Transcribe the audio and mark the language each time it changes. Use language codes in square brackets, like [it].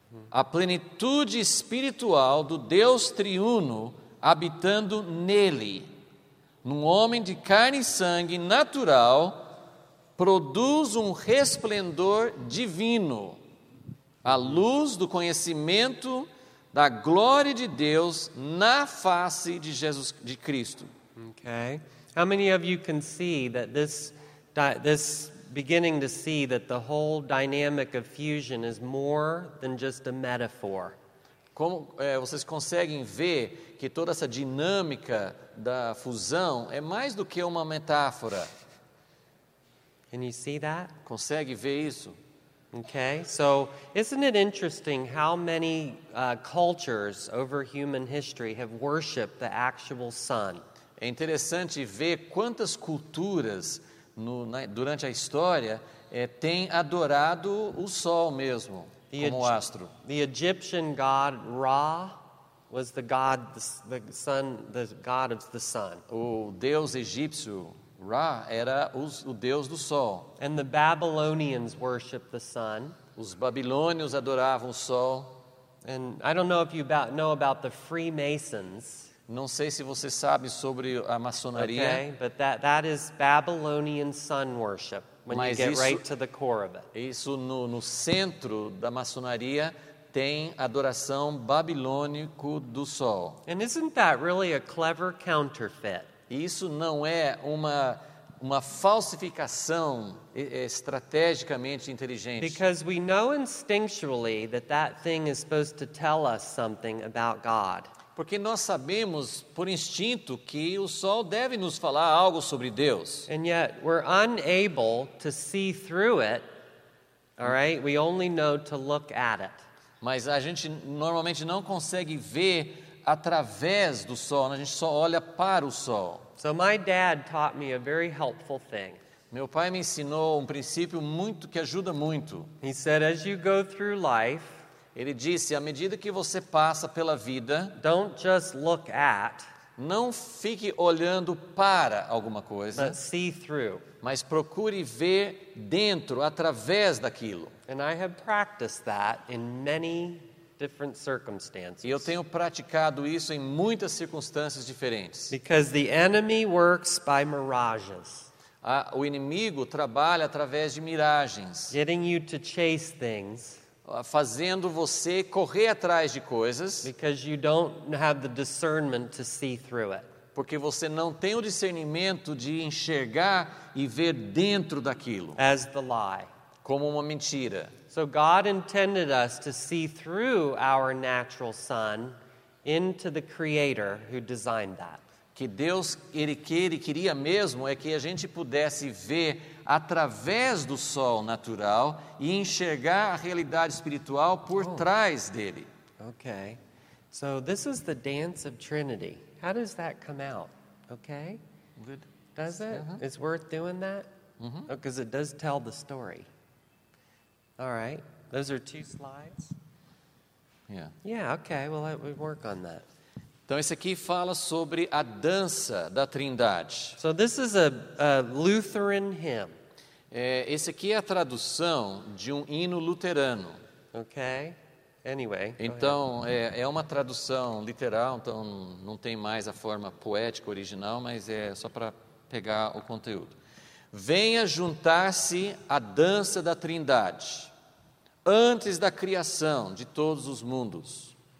[pt] A plenitude espiritual do Deus triuno habitando nele, num homem de carne e sangue natural, produz um resplendor divino, a luz do conhecimento da glória de Deus na face de Jesus de Cristo. [en] Okay. How many of you can see that this beginning to see that the whole dynamic of fusion is more than just a metaphor? [pt] Como vocês conseguem ver que toda essa dinâmica da fusão é mais do que uma metáfora? [en] Can you see that? [pt] Consegue ver isso? [en] Okay, so isn't it interesting how many cultures over human history have worshipped the actual sun? [pt] É interessante ver quantas culturas durante a história têm adorado o sol mesmo, como astro. [en] The Egyptian god Ra was the god, the sun, the god of the sun. [pt] O deus egípcio Ra era o deus do sol. [en] And the Babylonians worshiped the sun. [pt] Os babilônios adoravam o sol. [en] And I don't know if you know about the Freemasons. [pt] Não sei se você sabe sobre a maçonaria. [en] Okay, but that is Babylonian sun worship. When [pt] Mas [en] you get right to the core of it. [pt] Isso no centro da maçonaria tem adoração babilônico do sol. [en] And isn't that really a clever counterfeit? [pt] Isso não é uma falsificação estrategicamente inteligente? [en] Because we know instinctually that that thing is supposed to tell us something about God. [pt] Porque nós sabemos por instinto que o sol deve nos falar algo sobre Deus. [en] And yet we're unable to see through it. All right? We only know to look at it. [pt] Mas a gente normalmente não consegue ver através do sol, a gente só olha para o sol. [en] So my dad taught me a very helpful thing. [pt] Meu pai me ensinou princípio muito que ajuda muito. [en] He said, as you go through life, [pt] ele disse, à medida que você passa pela vida, [en] don't just look at, [pt] não fique olhando para alguma coisa, [en] but see through, [pt] mas procure ver dentro, através daquilo. [en] And I have practiced that in many different circumstances. [pt] E eu tenho praticado isso em muitas circunstâncias diferentes. [en] Because the enemy works by mirages. [pt] O inimigo trabalha através de miragens. [en] Getting you to chase things. [pt] Fazendo você correr atrás de coisas. [en] Because you don't have the discernment to see through it. [pt] Porque você não tem o discernimento de enxergar e ver dentro daquilo. [en] As the lie. [pt] Como uma mentira. [en] So God intended us to see through our natural sun into the Creator who designed that. [pt] Que Deus ele queria mesmo é que a gente pudesse ver através do sol natural e enxergar a realidade espiritual por trás dele. [en] Okay. So this is the dance of Trinity. How does that come out? Okay? Good. Does it? Uh-huh. It's worth doing that? Mm-hmm. Oh, 'cause it does tell the story. All right. Those are two slides. Yeah. Yeah, okay. Well, we work on that. [pt] Então esse aqui fala sobre a dança da Trindade. [en] So this is a Lutheran hymn. [pt] Esse aqui é a tradução de um hino luterano. [en] Okay. Anyway. [pt] Então, é uma tradução literal, então não tem mais a forma poética original, mas é só para pegar o conteúdo. Venha juntar-se à dança da Trindade, antes da criação de todos os mundos.